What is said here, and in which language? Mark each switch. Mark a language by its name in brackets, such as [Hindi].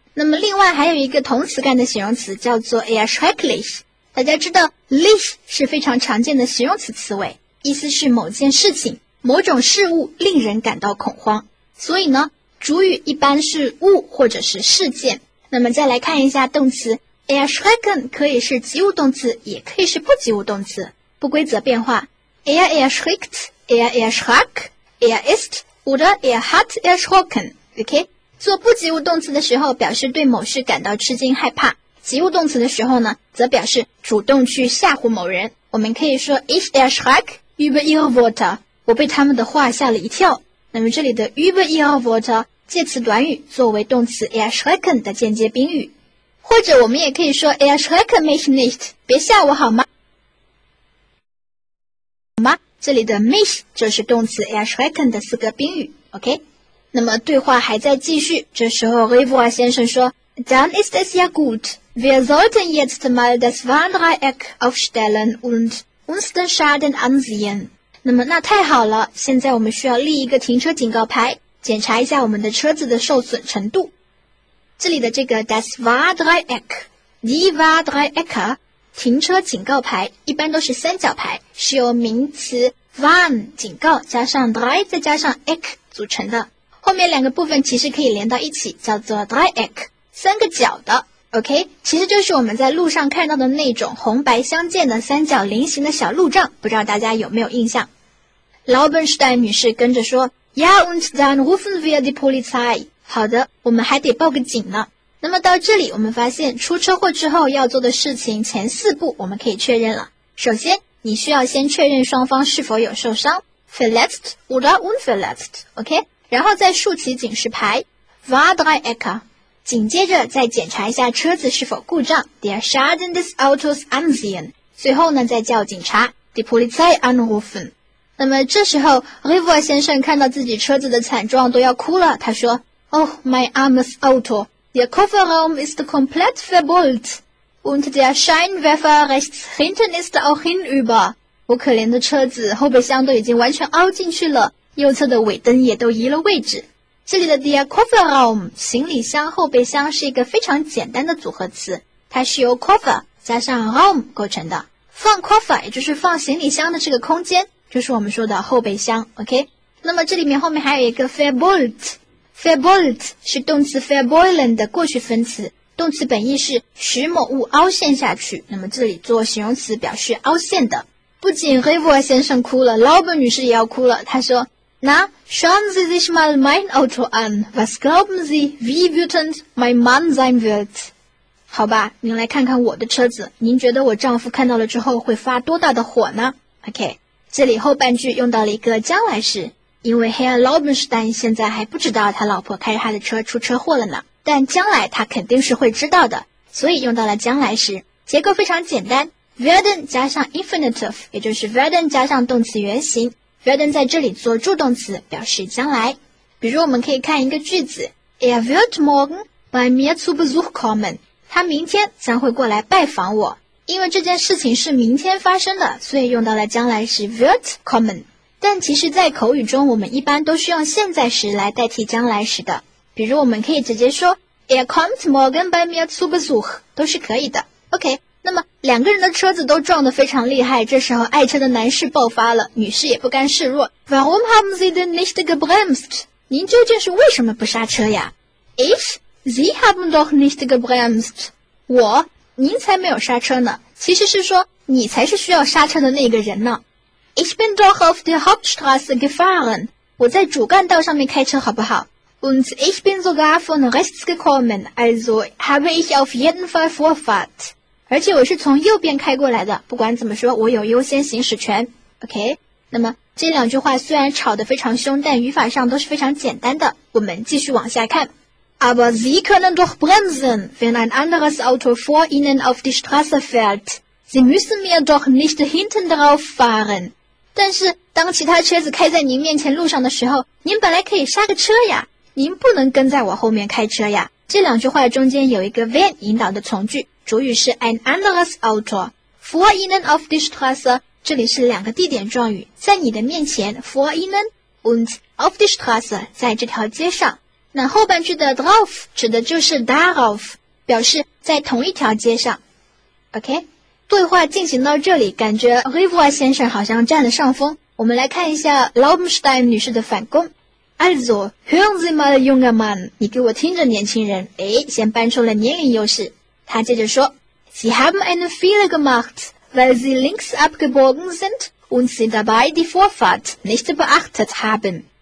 [Chinese] 那么另外还有一个同词干的形容词叫做 erschrecklich， 大家知道 lich 是非常常见的形容词词尾，意思是某件事情某种事物令人感到恐慌。所以呢，主语一般是物或者是事件。那么再来看一下动词Erschrecken 可以是及物动词，也可以是不及物动词，不规则变化。 [German] Erschreckt, erschrak, ist oder hat erschrocken. [Chinese] OK， 做不及物动词的时候，表示对某事感到吃惊害怕；及物动词的时候呢，则表示主动去吓唬某人。我们可以说 [German] Ich erschrak über ihre Worte， [Chinese] 我被他们的话吓了一跳。那么这里的 [German] über ihre Worte [Chinese] 介词短语作为动词 erschrecken 的间接宾语。或者我们也可以说 [German] Erschrecke mich nicht， [Chinese] 别吓我好吗？好吗？这里的 mich 就是动词 Erschrecken 的四个宾语。OK，那么对话还在继续，这时候 Rivois 先生说 [German] Dann ist es ja gut. Wir sollten jetzt mal das Warndreieck aufstellen und uns den Schaden ansehen. [Chinese] 那么那太好了，现在我们需要立一个停车警告牌，检查一下我们的车子的受损程度。这里的这个 Das Warndreieck, Die Warndreiecke,停车警告牌一般都是三角牌，是由名词 warn 警告加上 drei 再加上 eck 组成的。后面两个部分其实可以连到一起，叫做 dreieck， 三个角的。 OK， 其实就是我们在路上看到的那种红白相间的三角菱形的小路障，不知道大家有没有印象？劳本施黛女士跟着说 [German] ：“Ja und dann rufen wir die Polizei。” [Chinese] 好的，我们还得报个警呢。那么到这里我们发现出车祸之后要做的事情前四步我们可以确认了。首先你需要先确认双方是否有受伤 [German] Verletzt oder unverletzt、 [Chinese] okay? 然后再竖起警示牌 Warndreiecke 紧接着再检查一下车子是否故障 [German] Der Schaden des Autos ansehen [Chinese] 最后呢再叫警察 [German] Die Polizei anrufen [Chinese] 那么这时候 Rivois 先生看到自己车子的惨状都要哭了，他说 [German] Oh, my armes Auto,Der Kofferraum ist komplett verbeult und der Scheinwerfer rechts hinten ist auch hinüber. [Chinese] 我可怜的车子后备箱都已经完全凹进去了，右侧的尾灯也都移了位置。这里的 der Kofferraum 行李箱后备箱是一个非常简单的组合词，它是由 Koffer 加上 Raum 构成的。放 Koffer 也就是放行李箱的这个空间，就是我们说的后备箱。 OK， 那么这里面后面还有一个 verbeult。Verbeult 是动词 verbeulen 的过去分词，动词本意是使某物凹陷下去，那么这里做形容词表示凹陷的。不仅 Rivois 先生哭了，劳本女士也要哭了，她说 [German] Na, schauen Sie sich mal mein Auto an, was glauben Sie, wie wütend mein Mann sein wird? [Chinese] 好吧，您来看看我的车子，您觉得我丈夫看到了之后会发多大的火呢？ OK， 这里后半句用到了一个将来式，因为 Herr Laubenstein 现在还不知道他老婆开着他的车出车祸了呢，但将来他肯定是会知道的，所以用到了将来时。结构非常简单， werden 加上 infinitive， 也就是 werden 加上动词原形， werden 在这里做助动词表示将来。比如我们可以看一个句子， [German] Er wird morgen bei mir zu Besuch kommen， [Chinese] 他明天将会过来拜访我。因为这件事情是明天发生的，所以用到了将来时 [German] wird kommen。 [Chinese] 但其实在口语中我们一般都是用现在时来代替将来时的，比如我们可以直接说 [German] Er kommt morgen bei mir zu Besuch [Chinese] 都是可以的。 OK， 那么两个人的车子都撞得非常厉害，这时候爱车的男士爆发了，女士也不甘示弱， [German] Warum haben Sie denn nicht gebremst？ [Chinese] 您究竟是为什么不刹车呀？ [German] Ich? Sie haben doch nicht gebremst。 [Chinese] 我？您才没有刹车呢，其实是说你才是需要刹车的那个人呢。 [German] Ich bin doch auf der Hauptstraße gefahren. [Chinese] 我在主干道上面开车好不好？ [German] Und ich bin sogar von rechts gekommen, also habe ich auf jeden Fall Vorfahrt. [Chinese] 而且我是从右边开过来的，不管怎么说，我有优先行驶权。 OK， 那么这两句话虽然吵得非常凶，但语法上都是非常简单的。我们继续往下看。 [German] Aber Sie können doch bremsen, wenn ein anderes Auto vor Ihnen auf die Straße fährt. Sie müssen mir doch nicht hinten drauf fahren. [Chinese] 但是当其他车子开在您面前路上的时候，您本来可以刹个车呀，您不能跟在我后面开车呀。这两句话中间有一个 wenn 引导的从句，主语是 [German] ein anderes Auto， vor Ihnen auf die Straße， [Chinese] 这里是两个地点状语，在你的面前 [German] vor Ihnen und auf die Straße， [Chinese] 在这条街上。那后半句的 drauf 指的就是 darauf， 表示在同一条街上。 OK，对话进行到这里，感觉 Rivois 先生好像占了上风。我们来看一下 Laubenstein 女士的反攻。 [German] Also, hören Sie mal, junger Mann. [Chinese] 你给我听着，年轻人。诶，先搬出了年龄优势。他接着说 [German] Sie haben einen Fehler gemacht, weil Sie links abgebogen sind und Sie dabei die Vorfahrt nicht beachtet haben.